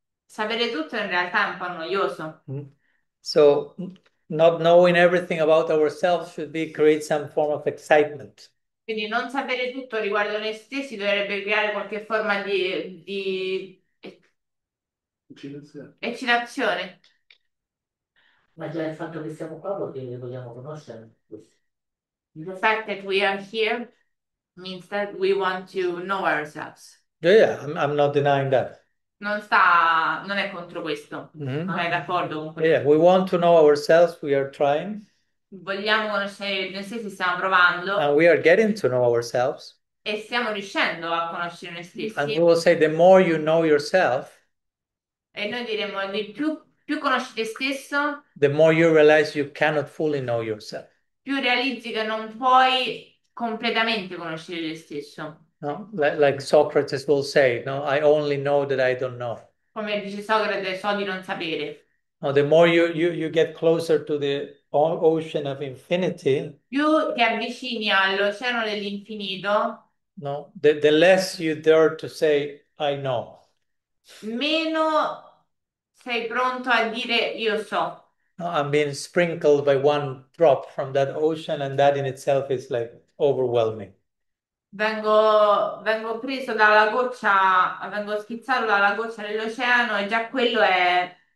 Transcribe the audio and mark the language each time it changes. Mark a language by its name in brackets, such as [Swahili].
[Italian] Sapere tutto in realtà è un po' noioso. [English] So, not knowing everything about ourselves should be create some form of excitement. [Italian] Quindi non sapere tutto riguardo noi stessi dovrebbe creare qualche forma di Silenzio. eccitazione. Ma già il fatto che siamo qua perché vogliamo conoscere questo. [English] The fact that we are here means that we want to know ourselves. Yeah, I'm not denying that. [Italian] Non è contro questo, ma è d'accordo con quello [English] Yeah, [Italian] che [English] we want to know ourselves, we are trying. [Italian] dici. Vogliamo conoscere noi stessi, stiamo provando. [English] And we are getting to know ourselves. [Italian] E stiamo riuscendo a conoscere noi [English] And [Italian] stessi. [English] we will [Italian] E [English] say the more you know yourself, [Italian] noi diremo di più conosci te stesso, [English] the more you realize you cannot fully know yourself. [Italian] più realizzi che non puoi completamente conoscere te stesso. [English] No, like Socrates will say, no, I only know that I don't know. [Italian] Come dice Socrate, so di non sapere. [English] No, the more you get closer to the ocean of infinity, [Italian] Più ti avvicini all'oceano dell'infinito, [English] no, the less you dare to say, I know. [Italian] meno sei pronto a dire io so. [English] No, I'm being sprinkled by one drop from that ocean, and that in itself is like overwhelming. [Italian] Vengo preso dalla goccia, vengo schizzato dalla goccia dell'oceano e già quello è